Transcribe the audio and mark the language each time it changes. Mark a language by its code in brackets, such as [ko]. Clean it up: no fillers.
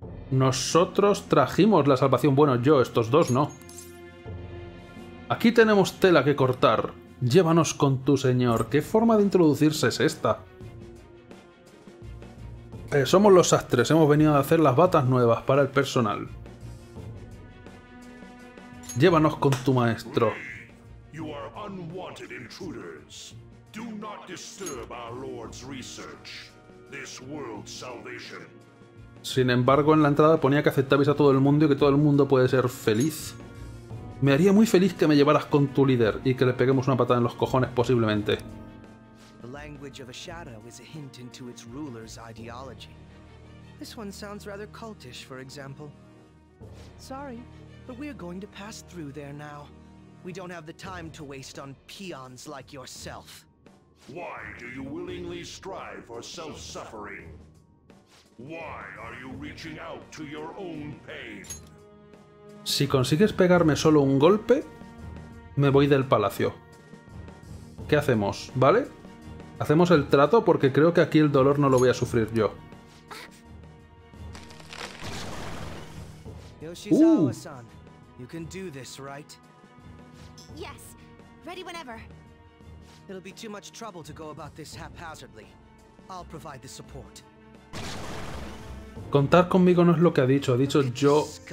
[es] Nosotros trajimos la salvación. Bueno, yo, estos dos no. Aquí tenemos tela que cortar. Llévanos con tu señor. ¿Qué forma de introducirse es esta? Somos los sastres. Hemos venido a hacer las batas nuevas para el personal. Llévanos con tu maestro. [en] You are unwanted intruders. Do not disturb our Lord's research. This world's salvation. [es] Sin embargo, en la entrada ponía que aceptabais a todo el mundo y que todo el mundo puede ser feliz. Me haría muy feliz que me llevaras con tu líder y que le peguemos una patada en los cojones, posiblemente. [en] The language of a shadow is a hint into its ruler's ideology. This one sounds rather cultish, for example. Sorry, but we are going to pass through there now. We don't have the time to waste on peons like yourself. Why do you willingly strive for self-suffering? Why are you reaching out to your own pain? [es] Si consigues pegarme solo un golpe, me voy del palacio. ¿Qué hacemos? ¿Vale? Hacemos el trato porque creo que aquí el dolor no lo voy a sufrir yo. [en] Yoshizawa-san, you can do this, right? Yes, ready whenever. It'll be too much trouble to go about this haphazardly. I'll provide the support. [es] Contar conmigo no es lo que ha dicho. Ha dicho yo.